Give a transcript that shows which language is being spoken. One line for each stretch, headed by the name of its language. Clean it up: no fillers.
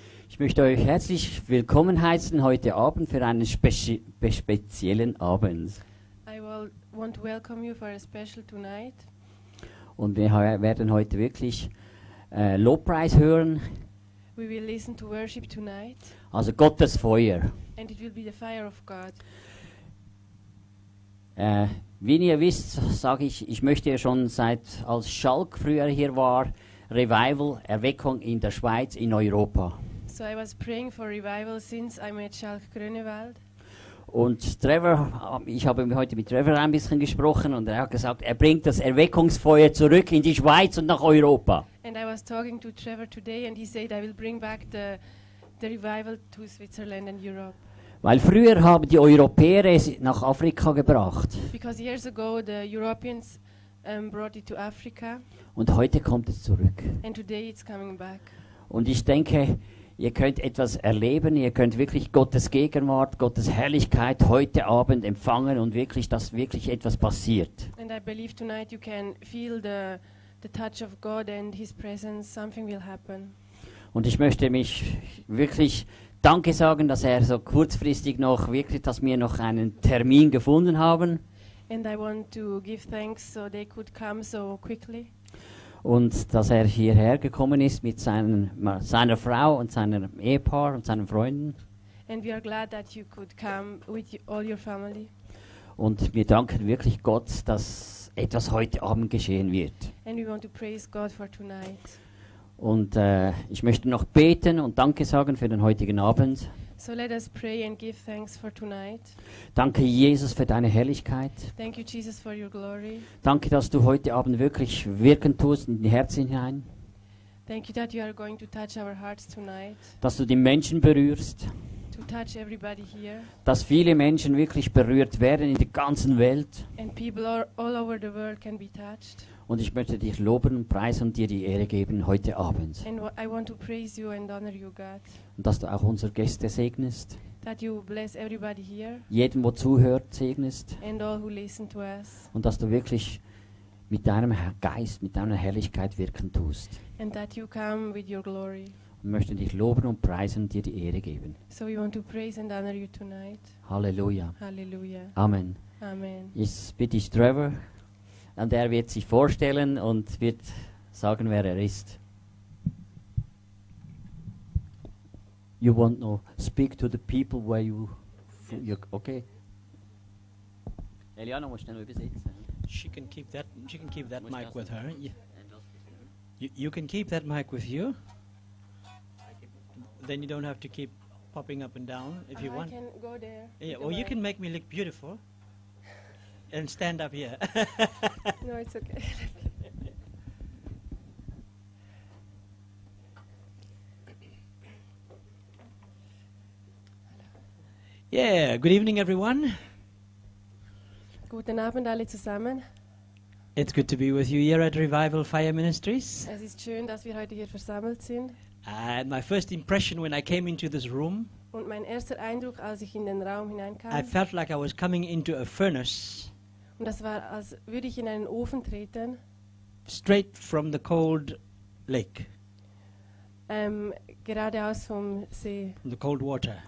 German: Ich möchte euch herzlich willkommen heißen heute Abend für einen speziellen Abend.
English: I want to welcome you for a special tonight.
German: Und wir werden heute wirklich Lobpreis hören.
English: We will listen to worship tonight.
German: Also Gottes Feuer.
English: And it will be the fire of God.
German: Wie ihr wisst, sage ich, ich möchte ja schon seit, als Schalk früher hier war, Revival, Erweckung in der Schweiz, in Europa.
English: So I was praying for revival since I met Schalk Grönewald.
German: Und Trevor, ich habe heute mit Trevor ein bisschen gesprochen und er hat gesagt, er bringt das Erweckungsfeuer zurück in die Schweiz und nach Europa.
English: And I was talking to Trevor today and he said I will bring back the revival to Switzerland and Europe.
German: Weil früher haben die Europäer es nach Afrika gebracht.
English: Because years ago the Europeans brought it to Africa.
German: Und heute kommt es zurück.
English: And today it's coming back.
German: Und ich denke, ihr könnt etwas erleben, ihr könnt wirklich Gottes Gegenwart, Gottes Herrlichkeit heute Abend empfangen und wirklich, dass wirklich etwas passiert.
English: And I believe tonight you can feel the touch of God and his presence, something will happen.
German: Und ich möchte mich wirklich Danke sagen, dass er so kurzfristig noch wirklich, dass wir noch einen Termin gefunden haben.
English: And I want to give thanks so they could come so quickly.
German: Und dass er hierher gekommen ist mit seiner Frau und seinem Ehepaar und seinen Freunden.
English: And we are glad that you could come with all your family.
German: Und wir danken wirklich Gott, dass etwas heute Abend geschehen wird.
English: And we want to praise God for tonight.
German: Und ich möchte noch beten und Danke sagen für den heutigen Abend.
English: So let us pray and give thanks for tonight.
German: Danke, Jesus, für deine Herrlichkeit.
English: Thank you, Jesus, for your glory.
German: Danke, dass du heute Abend wirklich wirken tust in die Herzen hinein.
English: Thank you that you are going to touch our hearts tonight.
German: Dass du die Menschen berührst.
English: To touch everybody here.
German: Dass viele Menschen wirklich berührt werden in der ganzen Welt.
English: And people all over the world can be touched.
German: Und ich möchte dich loben und preisen und dir die Ehre geben heute Abend.
English: And I want to praise you and honor you, God.
German: Und dass du auch unsere Gäste segnest.
English: That you bless everybody here.
German: Jeden, wo zuhört, segnest.
English: And all who listen to us.
German: Und dass du wirklich mit deinem Geist, mit deiner Herrlichkeit wirken tust.
English: And that you come with your glory.
German: Und möchte dich loben und preisen und dir die Ehre geben.
English: So we want to praise and honor you tonight. Halleluja. Halleluja. Amen. Amen.
German: Ich bitte dich, Trevor. Und er wird sich vorstellen und wird sagen, wer er ist.
English: You want to speak to the people where you... Okay.
German: Eliana muss schnell übersetzen.
English: She can keep that mic with her. You can keep that mic with you. Then you don't have to keep popping up and down if you want. I can go there. Yeah, or you can make me look beautiful. And stand up here. No, it's okay. Yeah, good evening, everyone.
German: Guten Abend, alle zusammen.
English: It's good to be with you here at Revival Fire Ministries.
German: Es ist schön, dass wir heute hier versammelt sind.
English: And my first impression when I came into this room,
German: und mein erster Eindruck, als ich in den Raum hineinkam,
English: I felt like I was coming into a furnace.
German: Und das war, als würde ich in einen Ofen treten.
English: Straight from the cold lake.
German: Geradeaus vom See.
English: The cold water.